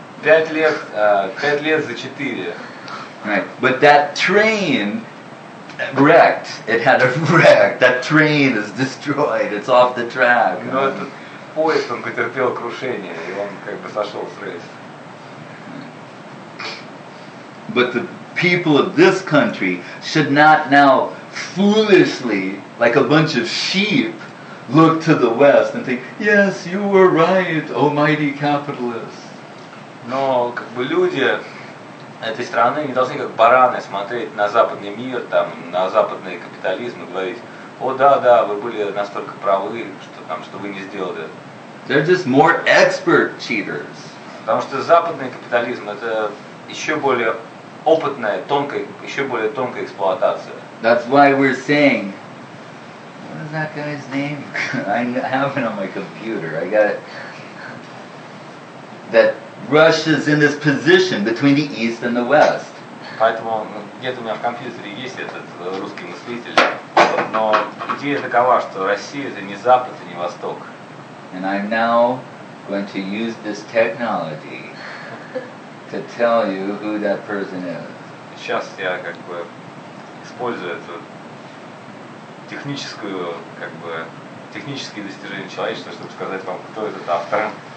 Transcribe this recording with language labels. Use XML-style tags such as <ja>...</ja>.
<ru>Пять лет за четыре.</ru> <en>Right. But that train wrecked. It had a wreck. That train is destroyed. It's off the track.</en> <ru>Но этот поезд, он потерпел крушение, и он как бы сошел с рельс.</ru> <en>But the people of this country should not now foolishly, like a bunch of sheep, look to the West and think, "Yes, you were right, almighty capitalist."</en> <ru>Но как бы люди этой страны не должны как бараны смотреть на западный мир, там, на западный капитализм и говорить, "О да, да, вы были настолько правы, что там, что вы не сделали."</ru> <en>They're just more expert cheaters.</en> <ru>Потому что западный капитализм это еще более опытная, тонкая, еще более тонкая эксплуатация.</ru> <en>That's why we're saying, what is that guy's name? I have it on my computer. I got it. That Russia's in this position between the East and the West.</en> <ru>Поэтому где-то у меня в компьютере есть этот русский мыслитель. Но идея такова, что Россия это не Запад и не Восток.</ru> <en>And I'm now going to use this technology to tell you who that person is.</en> <ru>Сейчас я как бы использую эту техническую, как бы технические достижения человечества, чтобы сказать вам, кто этот автор.</ru>